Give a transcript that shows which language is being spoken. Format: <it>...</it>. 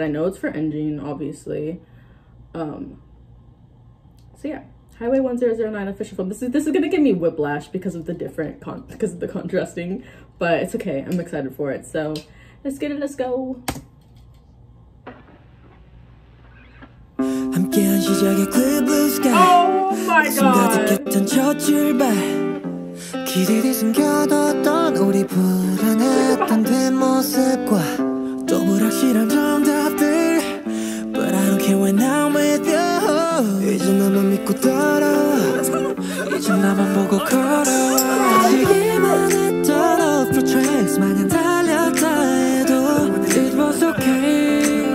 <en>I know it's for ENHYPEN, obviously. So yeah, Highway 1009 official film. This is gonna give me whiplash because of the different because of the contrasting, but it's okay. I'm excited for it, so let's get it. Let's go. 함께 시작의 clear blue sky. Oh my god.</en> <ko>숨가득했던 첫 출발. 기대를 숨겨뒀던 우리 불안했던 뒷모습과 또 불확실한 정답들.</ko> <en>But I don't care when I'm with you.</en> <ko>이제 나만 믿고 따라. 이제 나만 보고 걸어. 아쉬기만 했던</ko> <en>off the tracks</en> <ko>마냥 달렸다 해도</ko> <en>It was okay.</en>